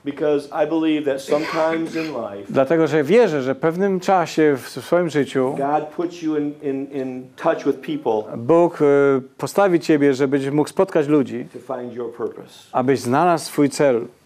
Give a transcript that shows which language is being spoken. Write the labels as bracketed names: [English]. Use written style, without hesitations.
[English] Because I believe that sometimes in life, [Polish] dlatego, że wierzę, że pewnym czasie w swoim życiu [English] God puts you in touch with people. [Polish] Bóg postawi cię, żebyś mógł spotkać ludzi, abyś znalazł swój cel.